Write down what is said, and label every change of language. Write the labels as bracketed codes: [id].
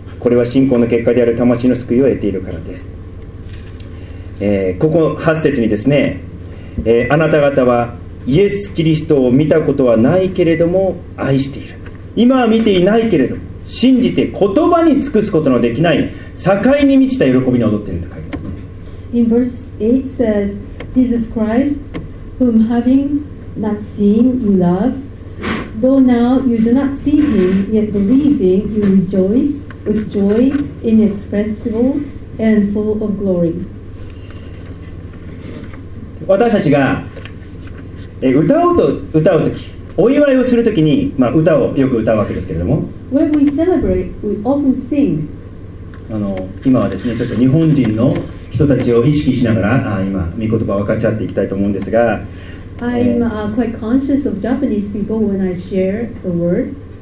[ja] これは信仰の結果である魂の救いを得ているからです。ここ8節にですね、あなた方はイエス・キリストを見たことはないけれども愛している、今は見ていないけれど信じて、言葉に尽くすことのできない境に満ちた喜びに踊っていると書いてますね。 [en] In verse 8 says, Jesus Christ, whom having not seen you love, though now you do not see him, yet believing you rejoice with joy inexpressible and full of glory. [ja] 私たちが歌うとき、お祝いをするときに、歌をよく歌うわけですけれども、 [en] When we celebrate, we often sing. [ja] 今はですね、ちょっと日本人の人たちを意識しながら、今、御言葉を分かち合っていきたいと思うんですが、 [en] I'm quite conscious of Japanese people when I share the word.